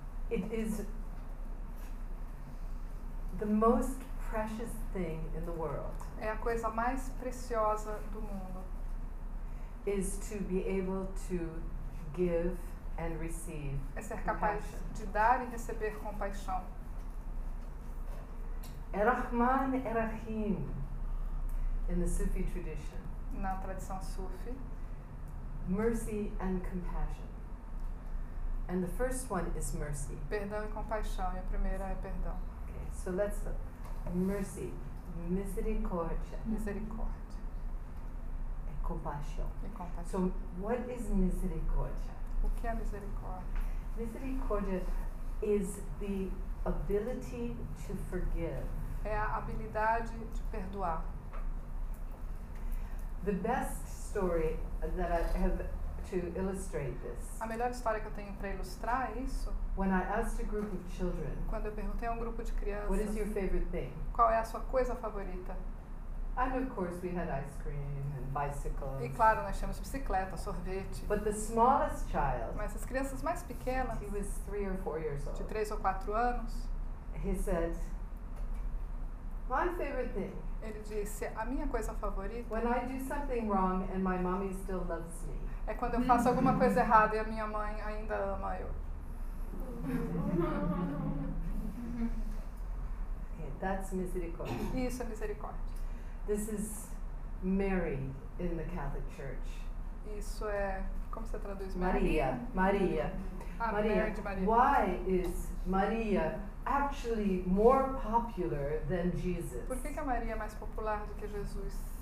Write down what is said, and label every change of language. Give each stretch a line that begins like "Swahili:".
English: It is the most precious thing in the world.
Portuguese: É a coisa mais preciosa do mundo.
English: Is to be able to give and receive.
Portuguese: É ser capaz de dar e receber compaixão.
English: Er-Rahman, Er-Rahim in the Sufi tradition.
Portuguese: na tradição sufi.
English: Mercy and compassion. And the first one is mercy.
Portuguese: Perdão e compaixão, e a primeira é perdão.
English: Okay, so let's look. Mercy, misericórdia.
Portuguese: Misericórdia. E compaixão. E compaixão.
English: So what is misericórdia?
Portuguese: O que é misericórdia?
English: Misericórdia is the ability to forgive.
Portuguese: É a habilidade de perdoar.
English: The best story that I have to illustrate this.
Portuguese: A melhor história que eu tenho para ilustrar isso.
English: When I asked a group of children.
Portuguese: Quando eu perguntei a um grupo de crianças.
English: What is your favorite thing?
Portuguese: Qual é a sua coisa favorita?
English: And of course we had ice cream and bicycles.
Portuguese: E claro, nós tínhamos bicicleta, sorvete.
English: But the smallest child.
Portuguese: Mas as crianças mais pequenas.
English: He was 3 or 4 years old.
Portuguese: De 3 ou 4 anos.
English: He said, my favorite thing.
Portuguese: Ele disse, a minha coisa favorita.
English: When I do something wrong and my mommy still loves me.
Portuguese: É quando eu faço alguma coisa errada e a minha mãe ainda ama eu.
English: Okay, that's misericórdia.
Portuguese: Isso é misericórdia.
English: This is Mary in the Catholic Church.
Portuguese: Isso é, como você traduz Maria? Maria. Maria. Maria.
English: Why is Maria actually more popular than Jesus?
Portuguese: Por que que a Maria é mais popular do que Jesus?